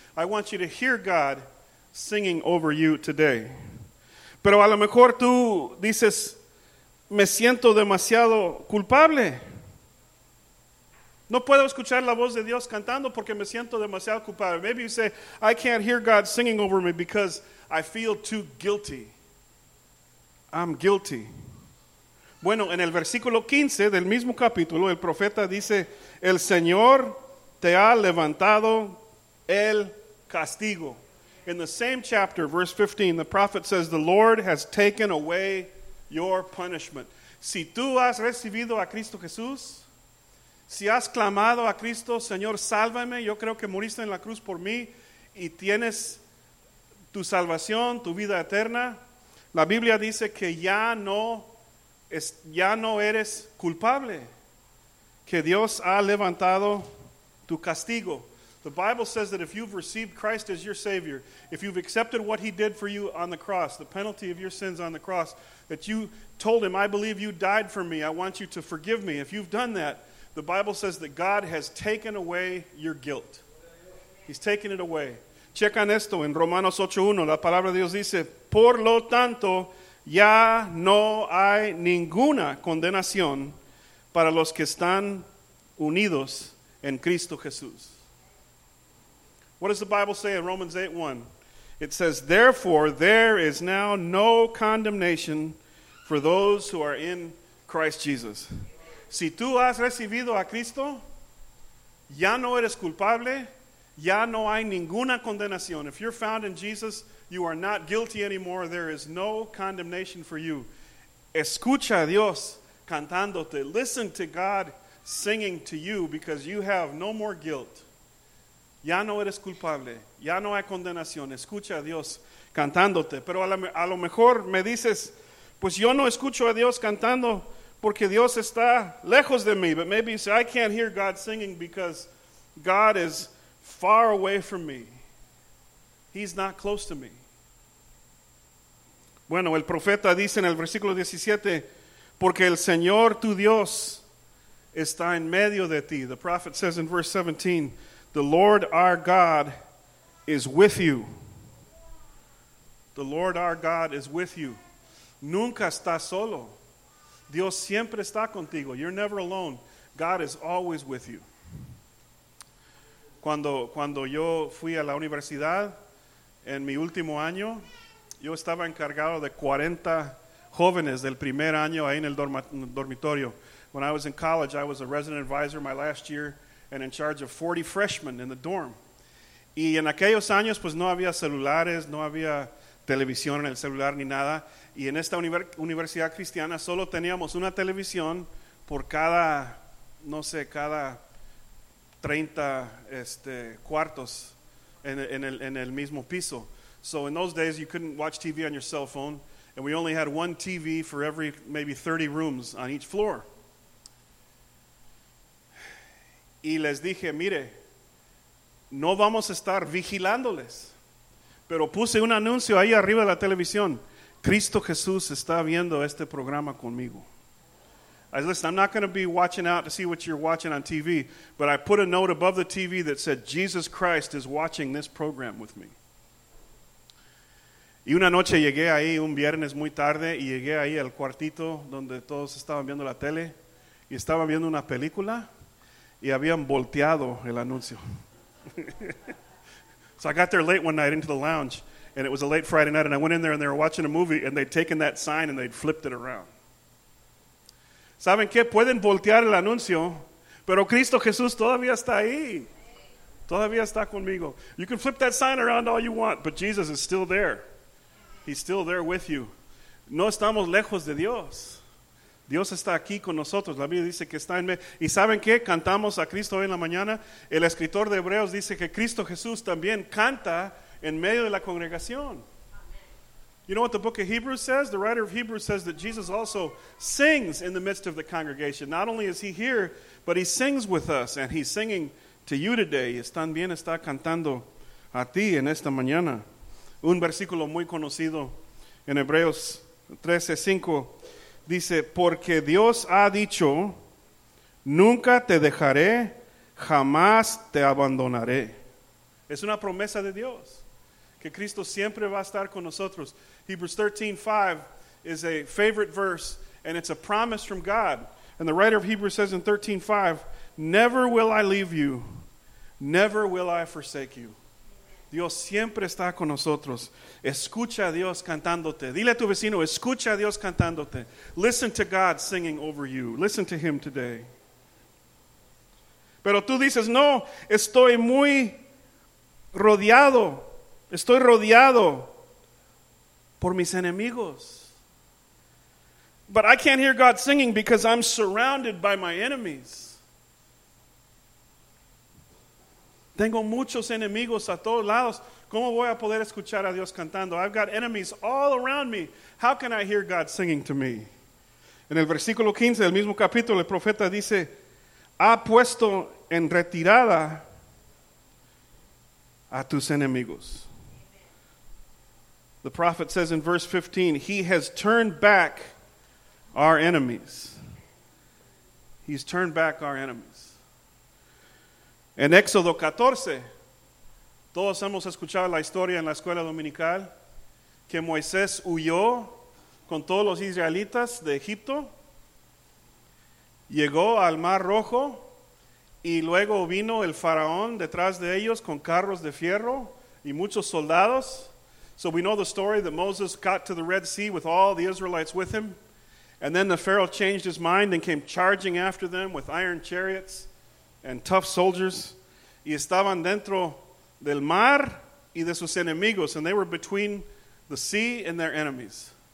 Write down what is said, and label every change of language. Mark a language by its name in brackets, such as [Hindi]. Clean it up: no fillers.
[English] I want you to hear God singing over you today. [Spanish] Pero a lo mejor tú dices, me siento demasiado culpable. No puedo escuchar la voz de Dios cantando porque me siento demasiado culpable. [English] Maybe you say, I can't hear God singing over me because I feel too guilty. I'm guilty. [Spanish] Bueno, en el versículo 15 del mismo capítulo, el profeta dice, el Señor te ha levantado el castigo. [English] In the same chapter, verse 15, the prophet says, the Lord has taken away your punishment. [Spanish] Si tú has recibido a Cristo Jesús, si has clamado a Cristo, Señor, sálvame, yo creo que moriste en la cruz por mí, y tienes tu salvación, tu vida eterna, la Biblia dice que ya no eres culpable, que Dios ha levantado tu castigo. [English] The Bible says that if you've received Christ as your Savior, if you've accepted what he did for you on the cross, the penalty of your sins on the cross, that you told him, I believe you died for me, I want you to forgive me. If you've done that, the Bible says that God has taken away your guilt. He's taken it away. [Spanish] Checan esto en Romanos 8:1. La palabra de Dios dice, por lo tanto, ya no hay ninguna condenación para los que están unidos en Cristo Jesús. [English] What does the Bible say in Romans 8:1? It says, therefore, there is now no condemnation for those who are in Christ Jesus. [Spanish] Si tú has recibido a Cristo, ya no eres culpable, ya no hay ninguna condenación. [English] If you're found in Jesus, you are not guilty anymore. There is no condemnation for you. [Spanish] Escucha a Dios cantándote. [English] Listen to God singing to you because you have no more guilt. [Spanish] Ya no eres culpable. Ya no hay condenación. Escucha a Dios cantándote. Pero a lo mejor me dices, pues yo no escucho a Dios cantando porque Dios está lejos de mí. [English] But maybe you say, I can't hear God singing because God is far away from me. He's not close to me. [Spanish] Bueno, el profeta dice en el versículo 17, porque el Señor tu Dios está en medio de ti. [English] The prophet says in verse 17, the Lord our God is with you. The Lord our God is with you. [Spanish] Nunca estás solo. Dios siempre está contigo. [English] You're never alone. God is always with you. [Spanish] Cuando yo fui a la universidad, en mi último año, yo estaba encargado de 40 jóvenes del primer año ahí en el dormitorio. [English] When I was in college, I was a resident advisor my last year and in charge of 40 freshmen in the dorm. [Spanish] Y en aquellos años, pues no había celulares, no había televisión en el celular ni nada. Y en esta universidad cristiana solo teníamos una televisión por cada, no sé, cada 30 cuartos en el mismo piso. [English] So in those days, you couldn't watch TV on your cell phone. And we only had one TV for every maybe 30 rooms on each floor. [Spanish] Y les dije, mire, no vamos a estar vigilándoles. Pero puse un anuncio ahí arriba de la televisión. Cristo Jesús está viendo este programa conmigo. [English] I said, listen, I'm not going to be watching out to see what you're watching on TV, but I put a note above the TV that said, Jesus Christ is watching this program with me. [Spanish] Y una noche llegué ahí, un viernes muy tarde, y llegué ahí al cuartito donde todos estaban viendo la tele, y estaban viendo una película, y habían volteado el anuncio. [English] So I got there late one night into the lounge, and it was a late Friday night, and I went in there, and they were watching a movie, and they'd taken that sign, and they'd flipped it around. [Spanish] ¿Saben qué? Pueden voltear el anuncio, pero Cristo Jesús todavía está ahí. Todavía está conmigo. [English] You can flip that sign around all you want, but Jesus is still there. He's still there with you. [Spanish] No estamos lejos de Dios. Dios está aquí con nosotros. La Biblia dice que está en medio. ¿Y saben qué? Cantamos a Cristo hoy en la mañana. El escritor de Hebreos dice que Cristo Jesús también canta en medio de la congregación. [English] You know what the book of Hebrews says? The writer of Hebrews says that Jesus also sings in the midst of the congregation. Not only is he here, but he sings with us. And he's singing to you today. [Spanish] También está cantando a ti en esta mañana. Un versículo muy conocido en Hebreos 13:5. Dice, porque Dios ha dicho, nunca te dejaré, jamás te abandonaré. Es una promesa de Dios, que Cristo siempre va a estar con nosotros. [English] Hebrews 13:5 is a favorite verse, and it's a promise from God. And the writer of Hebrews says in 13:5, never will I leave you, never will I forsake you. [Spanish] Dios siempre está con nosotros. Escucha a Dios cantándote. Dile a tu vecino, escucha a Dios cantándote. [English] Listen to God singing over you. Listen to Him today. [Spanish] Pero tú dices, no, estoy muy rodeado. Estoy rodeado por mis enemigos. [English] But I can't hear God singing because I'm surrounded by my enemies. [Spanish] Tengo muchos enemigos a todos lados. ¿Cómo voy a poder escuchar a Dios cantando? [English] I've got enemies all around me. How can I hear God singing to me? [Spanish] En el versículo 15 del mismo capítulo, el profeta dice, ha puesto en retirada a tus enemigos. [English] The prophet says in verse 15, he has turned back our enemies. He's turned back our enemies. [Spanish] En Éxodo 14, todos hemos escuchado la historia en la escuela dominical que Moisés huyó con todos los israelitas de Egipto, llegó al Mar Rojo y luego vino el faraón detrás de ellos con carros de fierro y muchos soldados. [English] So we know the story that Moses got to the Red Sea with all the Israelites with him, and then the Pharaoh changed his mind and came charging after them with iron chariots and tough soldiers. [Spanish] Y estaban dentro del mar y de sus enemigos. [English] And they were between the sea and their enemies.